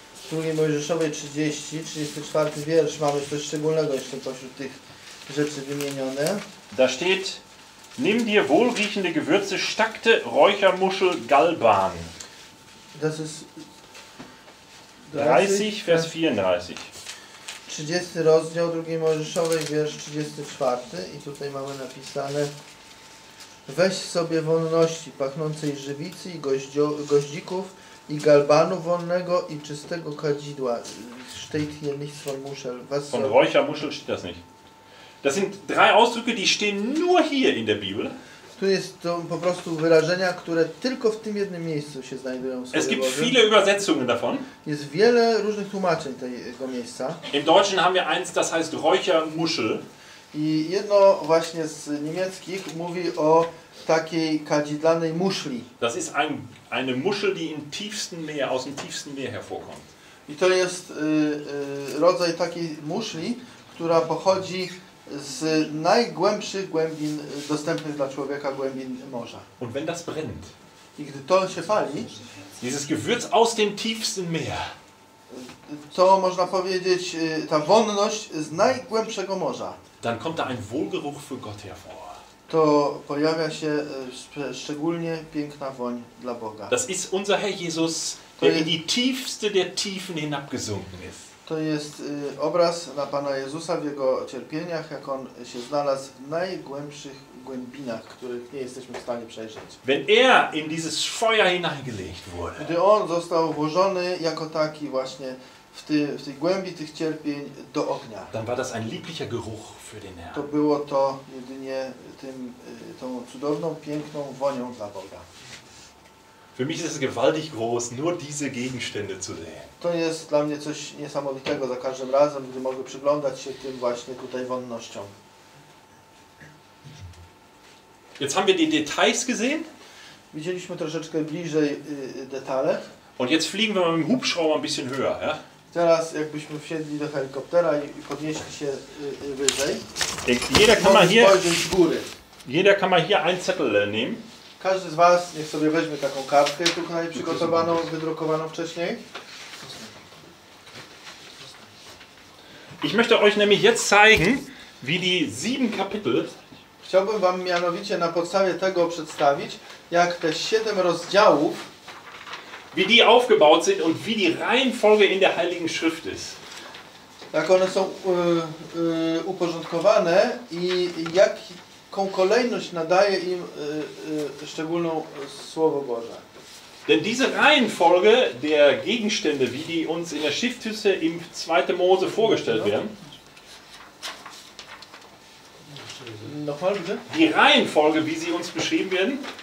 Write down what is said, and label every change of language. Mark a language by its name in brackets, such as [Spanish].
[Polish] W II Mojżeszowej 34 wiersz mamy coś szczególnego jeszcze pośród tych rzeczy wymienione. [German] Da steht: Nimm dir wohlriechende Gewürze, stakte Räuchermuschel Galban. Das ist 30, Vers 34. [Polish] 30 rozdział II Mojżeszowej, wiersz 34. I tutaj mamy napisane: Weź sobie wonności pachnącej żywicy i goździków i galbanu wonnego i czystego kadzidła. [German] Steht hier nichts von Muschel. Was von Räuchermuschel steht das nicht. Das sind drei Ausdrücke, die stehen nur hier in der Bibel. [Polish] Tu jest to po prostu wyrażenia, które tylko w tym jednym miejscu się znajdują. [German] Es gibt viele Übersetzungen davon. [Polish] Jest wiele różnych tłumaczeń tego miejsca. [German] Im Deutschen haben wir eins, das heißt Räuchermuschel. [Polish] I jedno właśnie z niemieckich mówi o takiej kadzidlanej muszli. [German] Das ist eine Muschel, die im tiefsten Meer, aus dem tiefsten Meer hervorkommt. [Polish] I to jest rodzaj takiej muszli, która pochodzi z najgłębszych głębin dostępnych dla człowieka, głębin morza. [German] Und wenn das brennt, [Polish] i gdy to się pali, [German] dieses Gewürz aus dem tiefsten Meer, [Polish] to można powiedzieć, ta wonność z najgłębszego morza, [German] dann kommt da ein Wohlgeruch für Gott hervor. [Polish] To pojawia się szczególnie piękna woń dla Boga. [German] Das ist unser Herr Jesus, der in die tiefste der Tiefen hinabgesunken ist. [Polish] To jest obraz na Pana Jezusa w jego cierpieniach, jak on się znalazł w najgłębszych głębinach, których nie jesteśmy w stanie przejrzeć. [German] Wenn er in dieses Feuer hineingelegt wurde. [Polish] Gdy on został włożony jako taki właśnie w tej głębi tych cierpień do ognia. [German] Dann war das ein lieblicher Geruch für den Herrn. [Polish] To było to jedynie tą cudowną, piękną wonią dla Boga. [German] Für mich ist es gewaltig groß, nur diese Gegenstände zu sehen. [Polish] To jest dla mnie coś niesamowitego za każdym razem, gdy mogę przyglądać się tym właśnie tutaj wonnościom. [German] Jetzt haben wir die Details gesehen. [Polish] Widzieliśmy troszeczkę bliżej detale. [German] Und jetzt fliegen wir mit dem Hubschrauber ein bisschen höher, ja? [Polish] Teraz jakbyśmy wsiedli do helikoptera i podnieśli się wyżej. [German] Jeder kann mal hier ein Zettel nehmen. [Polish] Każdy z was niech sobie weźmie taką kartkę tutaj przygotowaną, wydrukowaną wcześniej. [German] Ich möchte euch nämlich jetzt zeigen, wie die sieben Kapitel. [Polish] Chciałbym wam mianowicie na podstawie tego przedstawić, jak te siedem rozdziałów, [German] wie die aufgebaut sind und wie die Reihenfolge in der Heiligen Schrift ist. [Polish] Jak one są uporządkowane i jaką kolejność nadaje im szczególną Słowo Boże. [German] Denn diese Reihenfolge der Gegenstände, wie die uns in der Schriftüsse im 2. Mose vorgestellt werden. Nochmal bitte. Die Reihenfolge, wie sie uns beschrieben werden.